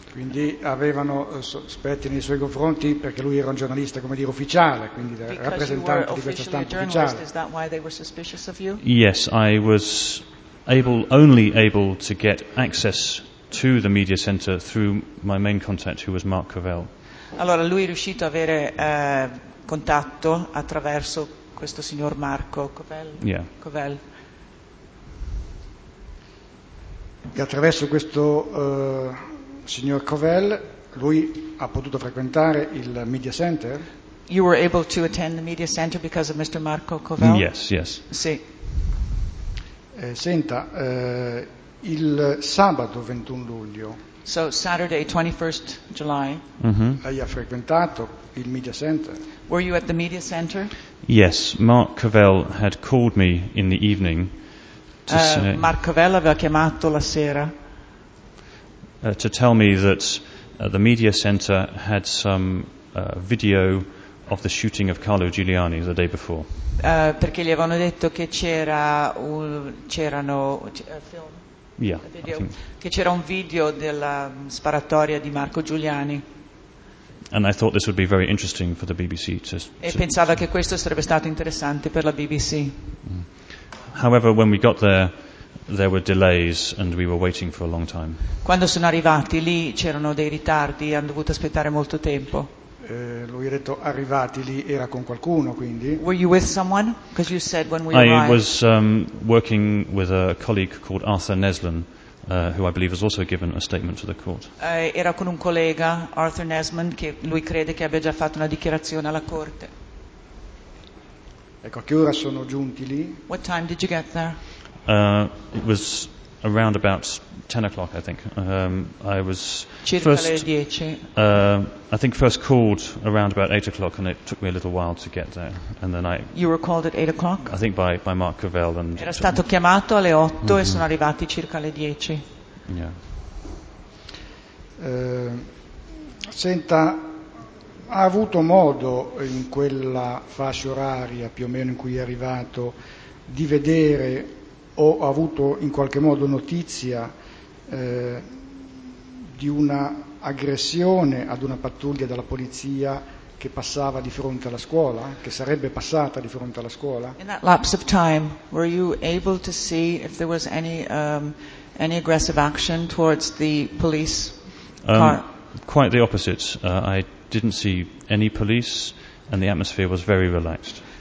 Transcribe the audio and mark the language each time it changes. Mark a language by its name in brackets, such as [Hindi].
[Italian] Quindi avevano sospetti nei suoi confronti perché lui era un giornalista, come dire, ufficiale, quindi [English] because [Italian] rappresentante di questa stampa ufficiale. [English] Is that why they were suspicious of you? Yes, I was only able to get access to the media center through my main contact, who was Mark Covell. [Italian] Allora lui è riuscito a avere contatto attraverso questo signor Marco Covell. [English] Yeah. Covell. [Italian] E attraverso questo signor Covell lui ha potuto frequentare il Media Center? [English] You were able to attend the Media Center because of Mr. Marco Covell? Yes. [Italian] Sì. Senta, il sabato 21 luglio. [English] So Saturday 21st July. [Italian] Lei ha frequentato il Media Center? [English] Were you at the Media Center? Yes, Mark Covell had called me in the evening. [Italian] Mark Covell aveva chiamato la sera. [English] To tell me that the Media Center had some video of the shooting of Carlo Giuliani the day before. [Italian] Perché gli avevano detto che c'era un video della sparatoria di Marco Giuliani. [English] And I thought this would be very interesting for the BBC [Italian] che questo sarebbe stato interessante per la BBC. [English] However, when we got there, there were delays and we were waiting for a long time. [Italian] Quando sono arrivati lì c'erano dei ritardi, hanno dovuto aspettare molto tempo. Lui ha detto arrivati lì era con qualcuno, quindi. [English] Were you with someone? Because you said when we arrived. I was working with a colleague called Arthur Neslin, who I believe has also given a statement to the court. [Italian] Era con un collega, Arthur Neslin, che lui crede che abbia già fatto una dichiarazione alla corte. Ecco, a che ora sono giunti lì? [English] What time did you get there? It was around about 10 o'clock, I think. I was [Italian] circa [English] first, [Italian] le 10. [English] I think first called around about 8 o'clock, and it took me a little while to get there. And then you were called at 8 o'clock? I think by Mark Covell. And [Italian] era stato chiamato alle 8 e sono arrivati circa le 10. [English] Yeah. [Italian] Senta, ha avuto modo in quella fascia oraria, più o meno in cui è arrivato, di vedere o ha avuto in qualche modo notizia di una aggressione ad una pattuglia della polizia che passava di fronte alla scuola, che sarebbe passata di fronte alla scuola? [English] In that lapse of time, were you able to see if there was any aggressive action towards the police car? Quite the opposite. I didn't see any police, and the atmosphere was very relaxed.